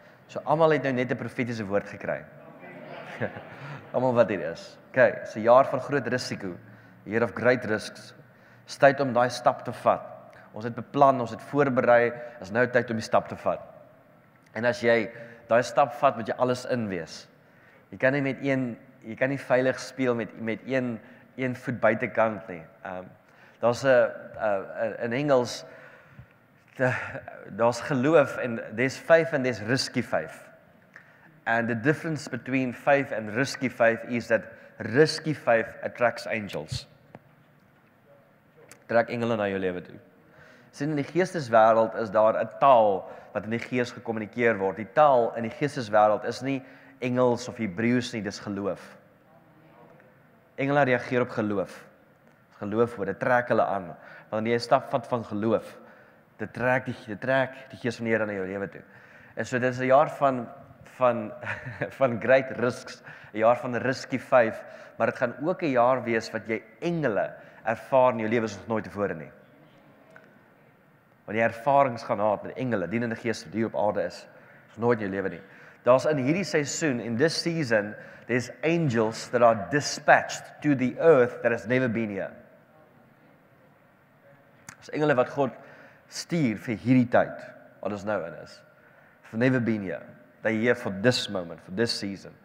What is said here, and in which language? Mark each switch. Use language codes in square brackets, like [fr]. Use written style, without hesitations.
[af] So almal het nou net 'n profetiese woord gekry. Almal wat hier is. Okay, dis 'n jaar van groot risiko. [en] Year of great risks. [af] Dis tyd om daai stap te vat. Ons het beplan, ons het voorberei, is nou tyd om die stap te vat. En as jy daai stap vat, moet jy alles in wees. Jy kan nie met een, jy kan nie veilig speel met een voet buitekant nie. Daar's 'n in Engels daar's geloof en [en] there's faith and there's risky faith. And the difference between faith and risky faith is that risky faith attracts angels. [af] Trek engele na jou lewe toe. Sien, in die geesteswêreld is daar 'n taal wat in die gees gekommunikeer word. Die taal in die geesteswêreld is nie Engels of Hebreeus nie, dis geloof. Engele reageer op geloof. Geloof word, dit trek hulle aan. Wanneer jy 'n stap vat van geloof, dit trek die gees van die Here na jou lewe toe. En so dit is 'n jaar van [en] great risks, [af] 'n jaar van [en] risky faith, [af] maar dit gaan ook 'n jaar wees wat jy engele ervaar in jou lewe soos nooit tevore nie. Want jy ervarings gaan haat met engele, dienende gees wat hier op aarde is, soos nooit in jou lewe nie. Daar's in hierdie seisoen, [en] in this season, there's angels that are dispatched to the earth that has never been here. [af] Dis engele wat God stuur vir hierdie tyd, wat ons nou in is. [en] For never been here. They're here for this moment, for this season.